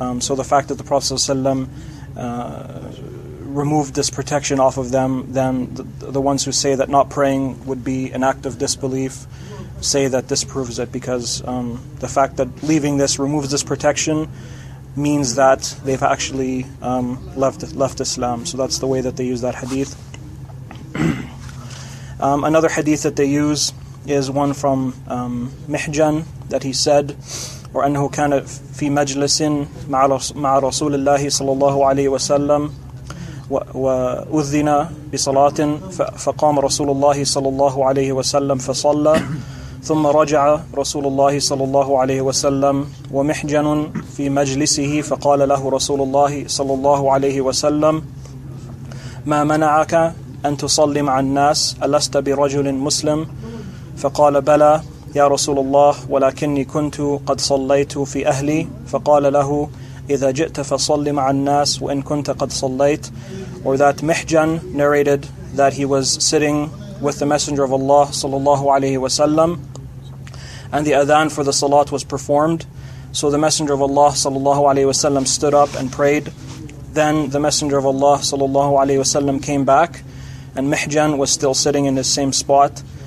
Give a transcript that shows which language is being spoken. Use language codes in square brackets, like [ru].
[en] So the fact that the Prophet ﷺ removed this protection off of them, then the ones who say that not praying would be an act of disbelief say that this proves it, because the fact that leaving this removes this protection means that they've actually left Islam. So that's the way that they use that hadith. Another hadith that they use is one from Mihjan, that he said, or [ar] أنه كان في مجلس مع رسول الله صلى الله عليه وسلم وأذن بصلاة فقام رسول الله صلى الله عليه وسلم فصلى ثم رجع رسول الله صلى الله عليه وسلم ومحجن في مجلسه فقال له رسول الله صلى الله عليه وسلم ما منعك أن تصلي مع الناس ألست برجل مسلم فقال بلى يا رسول الله ولكني كنت قد صليت في أهلي فقال له إذا جئت فصلي مع الناس وإن كنت قد صليت. [en] Or that Mihjan narrated that he was sitting with the Messenger of Allah sallallahu alayhi wa sallam, and the adhan for the salat was performed. So the Messenger of Allah sallallahu alayhi wa sallam stood up and prayed. Then the Messenger of Allah sallallahu alayhi wa sallam came back, and Mihjan was still sitting in the same spot.